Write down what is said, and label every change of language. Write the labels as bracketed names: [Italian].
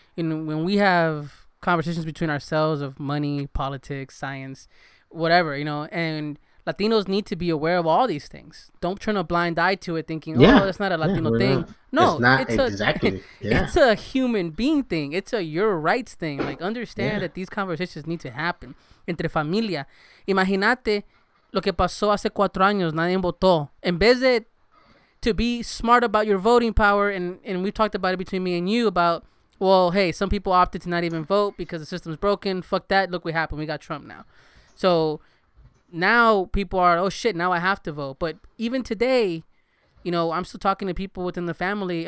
[English] And when we have conversations between ourselves of money, politics, science, whatever, you know, and Latinos need to be aware of all these things. Don't turn a blind eye to it thinking, that's not a Latino thing. No, it's a human being thing. It's a your rights thing. Like, understand that these conversations need to happen. [Spanish] Entre familia. Imagínate lo que pasó hace 4 años. Nadie votó. En vez de [English] to be smart about your voting power, and we talked about it between me and you about, well, hey, some people opted to not even vote because the system's broken. Fuck that. Look what happened. We got Trump now. So now people are, oh shit, now I have to vote. But even today, you know, I'm still talking to people within the family.